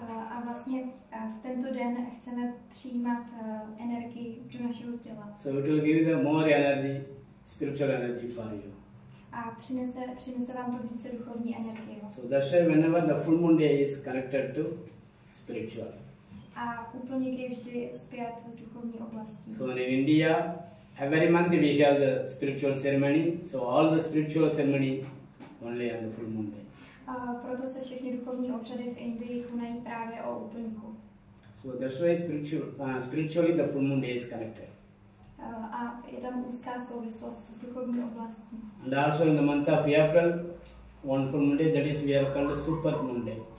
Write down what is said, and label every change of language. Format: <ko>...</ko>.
<cs>A vlastně v tento den chceme přijímat energii do našeho těla.</cs> <en>So it will give you more energy, spiritual energy for you.</en> <cs>A přinese vám to více duchovní energie.</cs> <en>So that's why whenever the full moon day is connected to spiritual.</en> <cs>A úplně kdy vždy spjat s duchovní oblastí.</cs> <en>So in India, every month we have the spiritual ceremony. So all the spiritual ceremony only on the full moon day.</en> <cs>Proto se všechny duchovní obřady v Indii konají právě o úplňku.</cs> <en>So that's why spiritually the full moon day is connected.</en> <cs>A je tam úzká souvislost s duchovní oblastí.</cs> <en>And also in the month of April, one full moon day, that is we are called super moon day.</en>